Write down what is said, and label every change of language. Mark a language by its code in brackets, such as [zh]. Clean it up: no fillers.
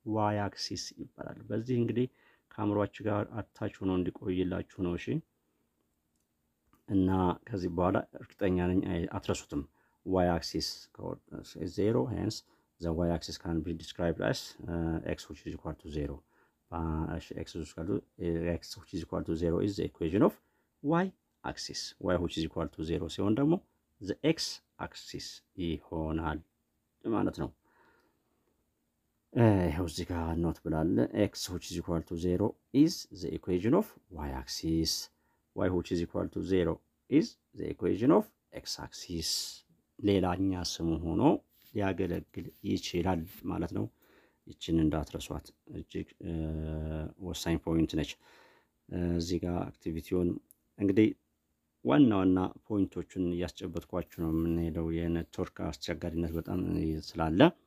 [am] y አክሲስ ይባላል። በዚህ እንግዲህ ካሜራዎች ጋር አታችሁ ነው እንዲቆይላችሁ ነው እሺ። እና ከዚህ በኋላ እርግጠኛ ነኝ አትረሱትም። y አክሲስ ከወደ 0 [en] hence the y axis can be described as x which is equal to 0. x which is equal to 0 is the equation of y axis. y which is equal to 0 [am] ሲሆን ደግሞ [en] the x axis [am] ይሆናል ማለት ነው። ይኸው እዚህ ጋር ኖት ብላለ [en] x which is equal to 0 is the equation of y axis. y which is equal to 0 is the equation of x axis. [am] ሌላኛ ስሙ ሆኖ ያገለግል ይችላል ማለት ነው። ይችን እንዳትረሷት እጅግ ወሳኝ ፖይንት ነች። እዚህ ጋር አክቲቪቲውን እንግዲህ ዋናውና ፖይንቶቹን ያስጨበጥኳችሁ ነው የምንሄደው የኔትወርክ አስቸጋሪነት በጣም ስላለ